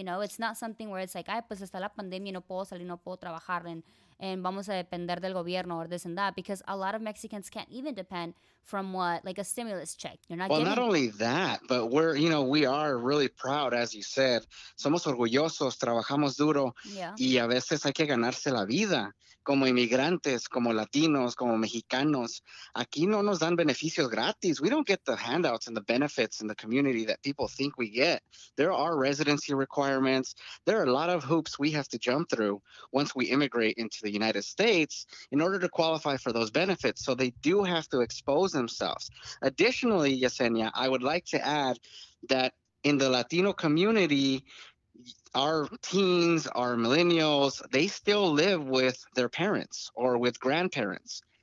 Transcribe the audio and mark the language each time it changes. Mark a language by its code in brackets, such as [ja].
[en] You know, it's not something where it's like, [es] ay, pues está la pandemia, no puedo salir, no puedo trabajar, [en] and [es] vamos a depender del gobierno [en] or this and that, because a lot of Mexicans can't even depend from what, like a stimulus check. You're not well, giving. Not only that, but we're, you know, we are really proud, as you said. [es] Somos orgullosos, trabajamos duro, [en] yeah. [es] Y a veces hay que ganarse la vida. Como inmigrantes, como latinos, como mexicanos, aquí no nos dan beneficios gratis. [en] We don't get the handouts and the benefits in the community that people think we get. There are residency requirements. There are a lot of hoops we have to jump through once we immigrate into the United States in order to qualify for those benefits. So they do have to expose themselves. Additionally, Yesenia, I would like to add that in the Latino community, our teens, our millennials, they still live with their parents or with grandparents.